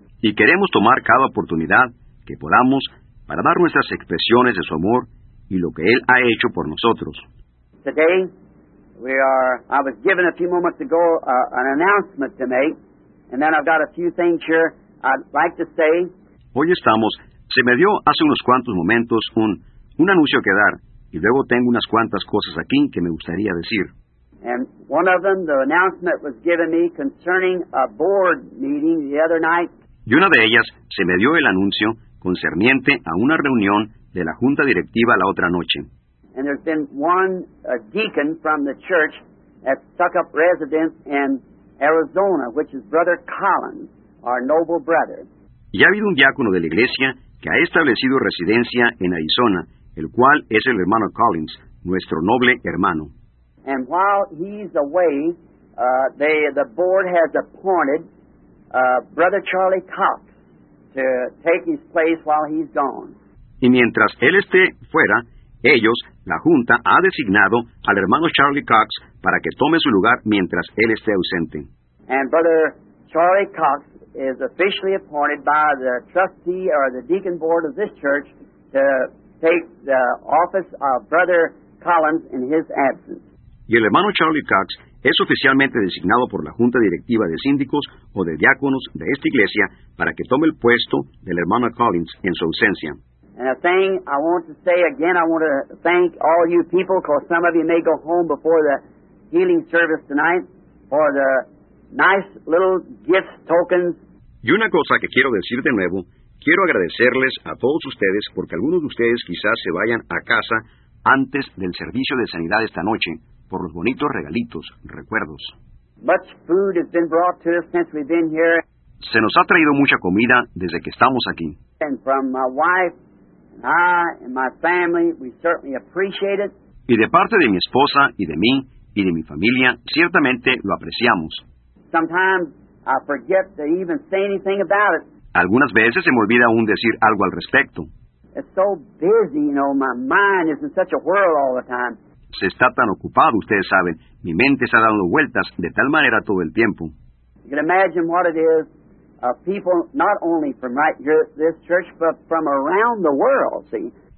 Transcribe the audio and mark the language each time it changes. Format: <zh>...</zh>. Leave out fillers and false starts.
<es>y queremos tomar cada oportunidad que podamos para dar nuestras expresiones de su amor y lo que Él ha hecho por nosotros.</es> <en>Today, I was given a few moments ago an announcement to make, and then I've got a few things here I'd like to say.</en> <es>Hoy estamos, se me dio hace unos cuantos momentos un anuncio que dar, y luego tengo unas cuantas cosas aquí que me gustaría decir.</es> <en>And one of them, the announcement was given me concerning a board meeting the other night.</en> <es>Y una de ellas, se me dio el anuncio concerniente a una reunión de la junta directiva la otra noche.</es> <en>And there's been a deacon from the church at Stuckup Residence in Arizona, which is Brother Collins, our noble brother.</en> <es>Y ha habido un diácono de la iglesia que ha establecido residencia en Arizona, el cual es el hermano Collins, nuestro noble hermano.</es> <en>And while he's away, the board has appointed Brother Charlie Cox to take his place while he's gone.</en> <es>Y mientras él esté fuera, ellos, la junta, ha designado al hermano Charlie Cox para que tome su lugar mientras él esté ausente.</es> <en>And Brother Charlie Cox is officially appointed by the trustee or the deacon board of this church to take the office of Brother Collins in his absence.</en> <es>Y el hermano Charlie Cox es oficialmente designado por la junta directiva de síndicos o de diáconos de esta iglesia para que tome el puesto del hermano Collins en su ausencia.</es> <en>And a thing I want to say again, I want to thank all you people, because some of you may go home before the healing service tonight, for the nice little gift tokens.</en> <es>Y una cosa que quiero decir de nuevo, quiero agradecerles a todos ustedes, porque algunos de ustedes quizás se vayan a casa antes del servicio de sanidad esta noche, por los bonitos regalitos, recuerdos.</es> <en>Much food has been brought to us since we've been here.</en> <es>Se nos ha traído mucha comida desde que estamos aquí.</es> <en>And from my wife, and my family, we certainly appreciate it.</en> <es>Y de parte de mi esposa y de mí y de mi familia, ciertamente lo apreciamos.</es> <en>Sometimes I forget to even say anything about it.</en> <es>Algunas veces se me olvida aún decir algo al respecto.</es> <en>It's so busy, you know, my mind is in such a whirl all the time.</en> <es>Se está tan ocupado, ustedes saben, mi mente está dando vueltas de tal manera todo el tiempo.</es> <en>You can imagine what it is. Of people not only from right here at this church, but from around the world, see.</en>